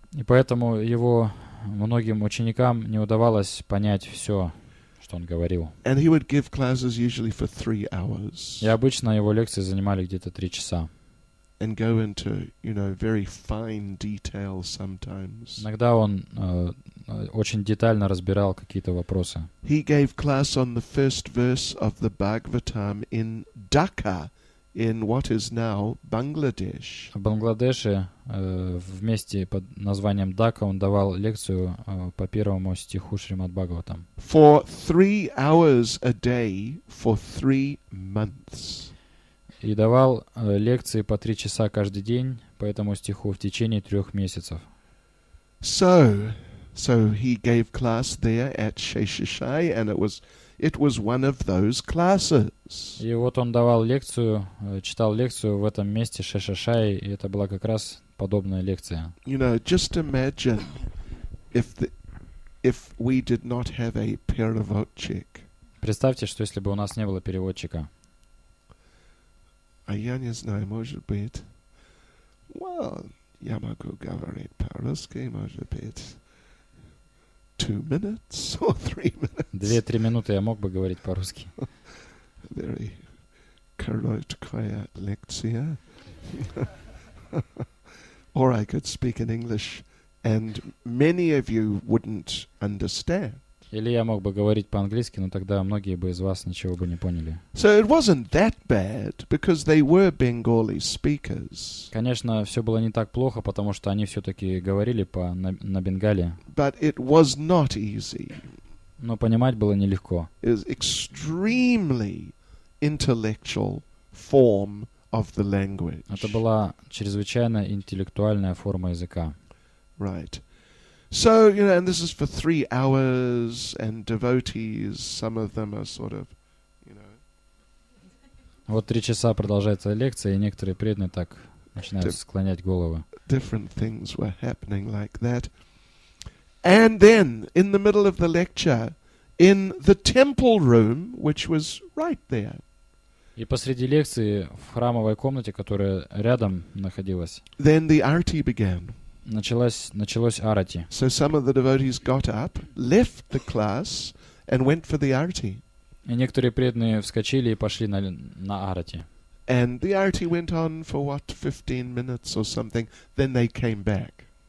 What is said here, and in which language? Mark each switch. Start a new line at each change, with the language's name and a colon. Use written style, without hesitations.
Russian: И поэтому его многим ученикам не удавалось понять все, что он говорил.
English: And he would give classes usually for 3 hours.
Russian: И обычно его лекции занимали где-то 3 часа.
English: And go into, you know, very fine detail sometimes.
Russian: Иногда он очень детально разбирал какие-то вопросы.
English: He gave class on the first verse of the Bhagavatam in Dhaka, in what is now Bangladesh.
Russian: В Бангладеше, в месте под названием Дака, он давал лекцию по первому стиху Шримад Бхагаватам.
English: For 3 hours a day for 3 months.
Russian: И давал лекции по 3 часа каждый день по этому стиху в течение 3 месяцев.
English: So he gave class there at Sheshishai, and it was one of those classes.
Russian: И вот он давал лекцию, читал лекцию в этом месте Шешишай, и это была как раз подобная лекция.
English: You know, just imagine if we did not have a переводчик.
Russian: Представьте, что если бы у нас не было переводчика. А я не знаю, может быть. Well, я могу говорить по-русски, может быть.
English: 2 minutes or 3 minutes.
Russian: 2-3 минуты я мог бы говорить по-русски. Very короткая лекция.
English: Or I could speak in English and many of you wouldn't understand.
Russian: Или я мог бы говорить по-английски, но тогда многие бы из вас ничего бы не поняли.
English: So it wasn't that bad, because they were Bengali speakers.
Russian: Конечно, все было не так плохо, потому что они все-таки говорили на Бенгали.
English: But it was not easy.
Russian: Но понимать было нелегко.
English: It was extremely intellectual form of the language.
Russian: Это была чрезвычайно интеллектуальная форма языка.
English: Right. So, you know, and this is for 3 hours, and devotees, some of them are sort of, you know.
Russian: Вот 3 часа продолжается лекция, и некоторые преданные так начинают склонять головы.
English: Different things were happening like that. And then, in the middle of the lecture, in the temple room, which was right there.
Russian: И посреди лекции, в храмовой комнате, которая рядом находилась.
English: Then the arati began.
Russian: Началось арати.
English: So some of the devotees got up, left the class, and went for the arati.
Russian: И некоторые преданные вскочили и пошли на арати.
English: And the arati went on for what, 15 minutes or something, then they came back.